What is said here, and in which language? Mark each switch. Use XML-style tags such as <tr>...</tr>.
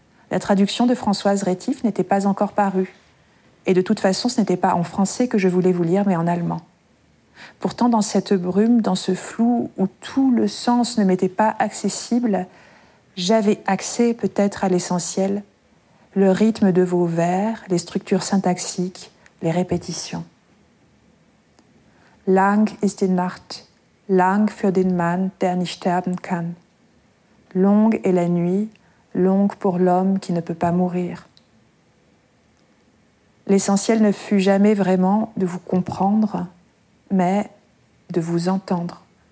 <fr>La traduction de Françoise Rétif n'était pas encore parue et de toute façon, ce n'était pas en français que je voulais vous lire, mais en allemand. Pourtant, dans cette brume, dans ce flou où tout le sens ne m'était pas accessible, j'avais accès peut-être à l'essentiel. Le rythme de vos vers, les structures syntaxiques, les répétitions.</fr> <de>Lang ist die Nacht, lang für den Mann, der nicht sterben kann.</de> <fr>Longue est la nuit, longue pour l'homme qui ne peut pas mourir. L'essentiel ne fut jamais vraiment de vous comprendre, mais de vous entendre.</fr>